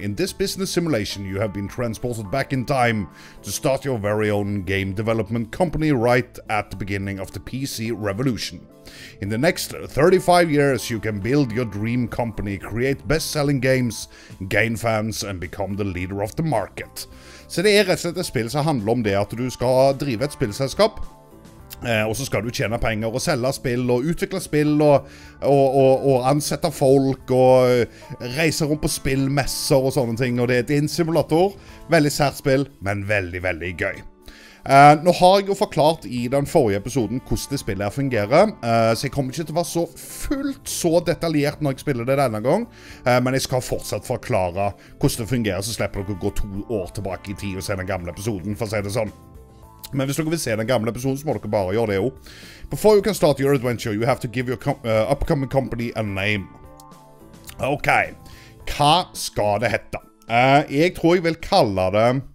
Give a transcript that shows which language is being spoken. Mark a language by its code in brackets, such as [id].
[en] In this business simulation you have been transported back in time to start your very own game development company right at the beginning of the PC revolution. In the next 35 years you can build your dream company, create best-selling games, gain fans and become the leader of the market. [no] Så det er rett og slett et spill som handler om det at du skal drive et spillselskap, og så skal du tjene penger og selge spill og utvikle spill og ansette folk og reise rundt på spillmesser og sånne ting. Og det er din simulator. Veldig sært spill, men veldig, veldig gøy. Nå har jeg jo forklart i den forrige episoden hvordan det spillet her fungerer, så jeg kommer ikke til å være så fullt så detaljert når jeg spiller det denne gang, men jeg skal fortsatt forklare hvordan det fungerer, så slipper dere å gå 2 år tilbake i tid og se den gamle episoden, for å si det sånn. Men hvis dere vil se den gamle episoden, så må dere bare gjøre det jo. [en] Before you can start your adventure, you have to give your upcoming company a name. [no] Ok, hva skal det hette? Jeg tror jeg vil kalle det...